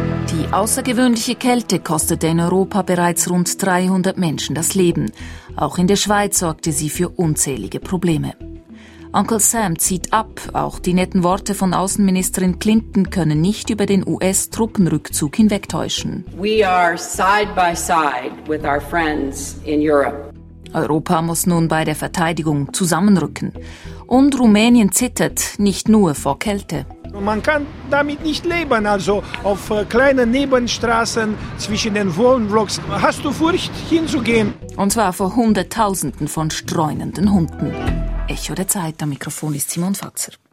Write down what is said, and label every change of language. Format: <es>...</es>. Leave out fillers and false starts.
<de>Die außergewöhnliche Kälte kostete in Europa bereits rund 300 Menschen das Leben. Auch in der Schweiz sorgte sie für unzählige Probleme. Uncle Sam zieht ab, auch die netten Worte von Außenministerin Clinton können nicht über den US-Truppenrückzug hinwegtäuschen.</de> <en>We are side by side with our friends in Europe.</en> <de>Europa muss nun bei der Verteidigung zusammenrücken. Und Rumänien zittert, nicht nur vor Kälte. Man kann damit nicht leben, also auf kleinen Nebenstraßen zwischen den Wohnblocks. Hast du Furcht, hinzugehen? Und zwar vor Hunderttausenden von streunenden Hunden. Echo der Zeit, am Mikrofon ist Simon Fatzer.</de>